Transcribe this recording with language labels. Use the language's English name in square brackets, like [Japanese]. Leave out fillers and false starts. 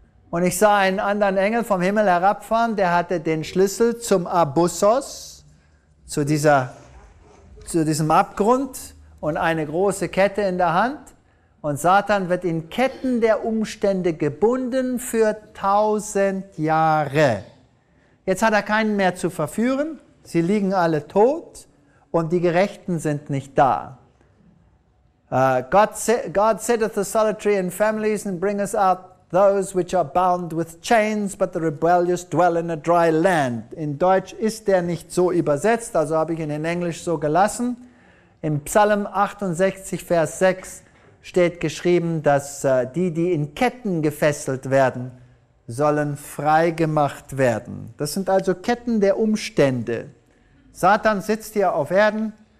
[German] Und ich sah einen anderen Engel vom Himmel herabfahren, der hatte den Schlüssel zum Abyssos, zu diesem Abgrund und eine große Kette in der Hand. Und Satan wird in Ketten der Umstände gebunden für 1000 Jahre. Jetzt hat er keinen mehr zu verführen. Sie liegen alle tot und die Gerechten sind nicht da. [English] God setteth the solitary in families and bringeth out those which are bound with chains, but the rebellious dwell in a dry land. [German] In Deutsch ist der nicht so übersetzt, also habe ich ihn in Englisch so gelassen. Im Psalm 68, Vers 6 steht geschrieben, dass die, die in Ketten gefesselt werden, sollen freigemacht werden. Das sind also Ketten der Umstände. Satan sitzt hier auf Erden.